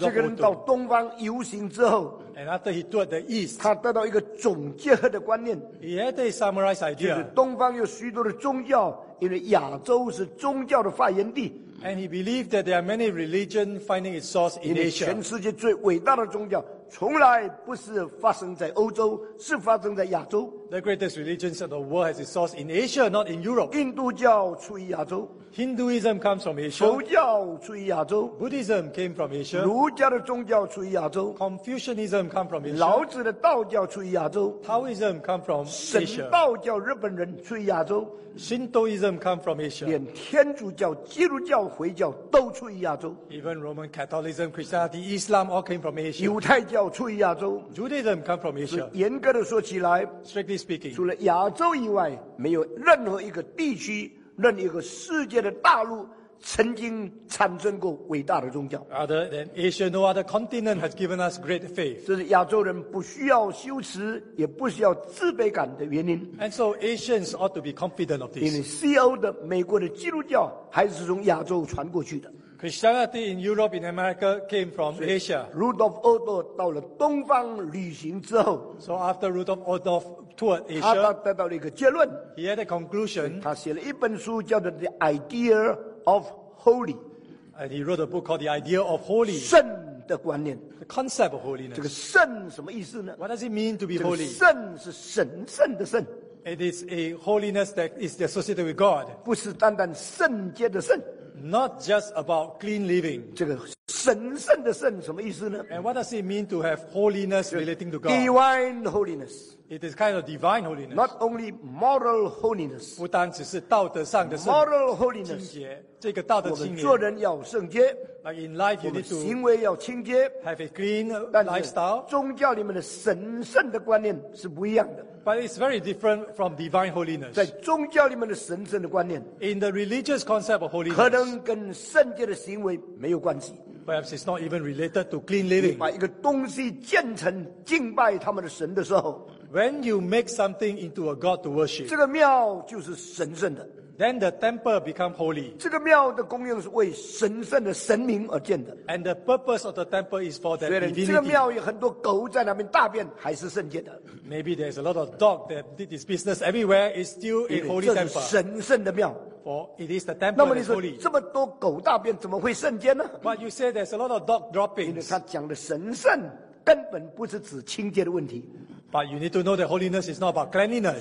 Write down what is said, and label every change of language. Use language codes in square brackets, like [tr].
[zh] 这个人到东方游行之后 [en] ，And after he toured the East, [zh] 他得到一个总结的观念。 [en] He had a summarized idea. [zh] 就是东方有许多的宗教，因为亚洲是宗教的发源地。 [en] And he believed that there are many religions finding its source in Asia. [zh] 全世界最伟大的宗教从来不是发生在欧洲，是发生在亚洲。 [en] The greatest religions of the world has its source in Asia, not in Europe. [zh] 印度教出于亚洲。 [en] Hinduism comes from Asia. [zh] 佛教出于亚洲。 [en] Buddhism came from Asia. [zh] 儒家的宗教出于亚洲。 [en] Confucianism comes from Asia. [zh] 老子的道教出于亚洲。 [en] Taoism comes from Asia. [zh] 神道教日本人出于亚洲。 [en] Shintoism comes from Asia. [zh] 连天主教、基督教、回教都出于亚洲。 [en] Even Roman Catholicism, Christianity, Islam all came from Asia. [zh] 犹太教出于亚洲。 [en] Judaism comes from Asia. [zh] 严格的说起来 [en] ，Strictly speaking, [zh] 除了亚洲以外，没有任何一个地区。任一个世界的大陆曾经产生过伟大的宗教。 [en] Other than Asia, no other continent has given us great faith. [zh] 这是亚洲人不需要羞耻，也不需要自卑感的原因。 [en] And so Asians ought to be confident of this. [zh] 因为西欧的美国的基督教还是从亚洲传过去的。 [en] Christianity in Europe, in America, came from Asia. [zh] Rudolf Otto 到了东方旅行之后 [en] ，So after Rudolf Otto toured Asia, [zh] 他得到了一个结论 [en] ，He had a conclusion. [zh] 他写了一本书叫做《The Idea of Holy》 [en] ，And he wrote a book called The Idea of Holy. [zh] 圣的观念 [en] ，The concept of holiness. [zh] 这个圣什么意思呢 [en] ？What does it mean to be holy? [zh] 圣是神圣的圣。 [en] It is a holiness that is associated with God. [zh] 不是单单圣洁的圣。 [en] Not just about clean living. [zh] 这个神圣的圣什么意思呢 [en] ？And what does it mean to have holiness relating to God? Divine holiness. It is kind of divine holiness. Not only moral holiness. [zh] 不单只是道德上的圣洁。 [en] Moral holiness. [zh] 清洁，这个道德清洁。我们做人要圣洁。 [en] Like in life, you need to. [zh] 我们行为要清洁。 [en] Have a clean lifestyle. [zh] 但是宗教里面的神圣的观念是不一样的。 [en] But it's very different from divine holiness. [zh] 在宗教里面的神圣的观念 [en] ，in the religious concept of holiness， [zh] 可能跟圣洁的行为没有关系。 [en] Perhaps it's not even related to clean living. [zh] 把一个东西建成敬拜他们的神的时候 [en] When you make something into a god to worship, [zh] 这个庙就是神圣的。 [en] Then the temple become holy. [zh] 这个庙的功用是为神圣的神明而建的。 [en] And the purpose of the temple is for the divinity. [zh] 这个庙有很多狗在那边大便，还是圣洁的。 [en] Maybe there's a lot of dog that did his business everywhere. It's still a holy temple. [zh] 这是神圣的庙。 [en] For it is the temple holy. [zh] 那么你说这么多狗大便怎么会圣洁呢 [en] ？But you say there's a lot of dog droppings. [zh] 因为他讲的神圣根本不是指清洁的问题。 [en] But you need to know that holiness is not about cleanliness.